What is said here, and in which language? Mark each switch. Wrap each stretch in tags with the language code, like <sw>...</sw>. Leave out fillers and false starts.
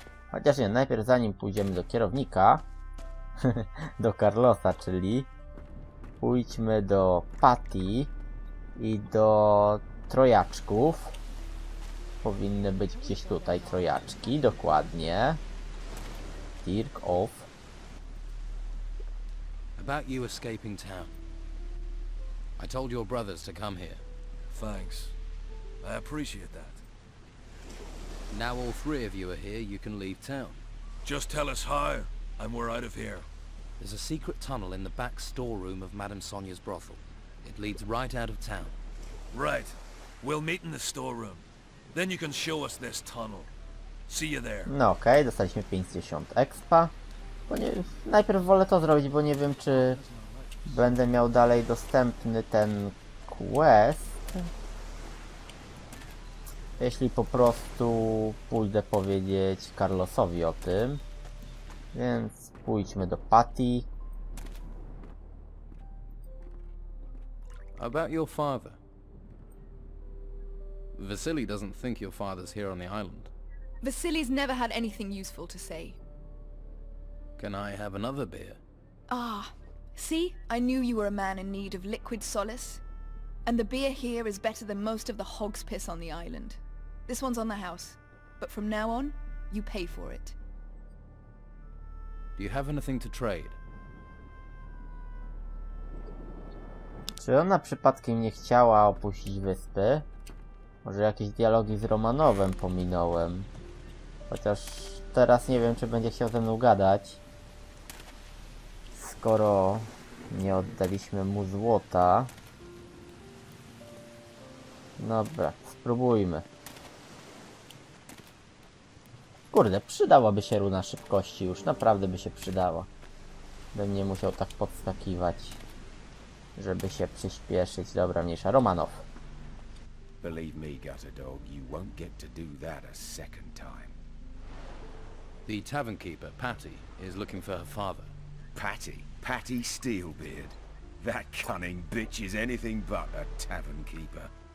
<pl>Chociaż nie, najpierw zanim pójdziemy do kierownika, do Carlosa, czyli pójdźmy do Patty i do trojaczków. Powinny być gdzieś tutaj trojaczki, dokładnie.</pl> <en>Dirk of. About you escaping town. I told your brothers to come here. Thanks. I appreciate that. Now all three of you are here, you can leave town. Just tell us how, and we're out of here. There's a secret tunnel in the back storeroom of Madame Sonia's brothel. It leads right out of town. Right. We'll meet in the storeroom. Then you can show us this tunnel. See you there.</en> <pl>No okej, okay, dostaliśmy 50 expa. Bo nie, najpierw wolę to zrobić, bo nie wiem, czy będę miał dalej dostępny ten quest. Jeśli po prostu pójdę powiedzieć Carlosowi o tym. Więc pójdźmy do Patty.</pl> <en>About your father. Vasily doesn't think your father's here on the island. Vasily's never had anything useful to say. Can I have another beer? Ah, see? I knew you were a man in need of liquid solace. And the beer here is better than most of the hog's piss on the island. This one's on the house. But from now on, you pay for it. Do you have anything to trade?</en> <pl>Czy ona przypadkiem nie chciała opuścić wyspy? Może jakieś dialogi z Romanowem pominąłem? Chociaż teraz nie wiem, czy będzie chciał ze mną gadać. Skoro nie oddaliśmy mu złota. Dobra, spróbujmy. Kurde, przydałaby się runa szybkości już. Naprawdę by się przydała. Bym nie musiał tak podskakiwać, żeby się przyspieszyć. Dobra, mniejsza. Romanow.</pl> <en>Believe me, gutter dog, you won't get to do that a second time. The tavern keeper, Patty, is looking for her father. Patty? Patty Steelbeard? That cunning bitch is anything but a tavern keeper.</en>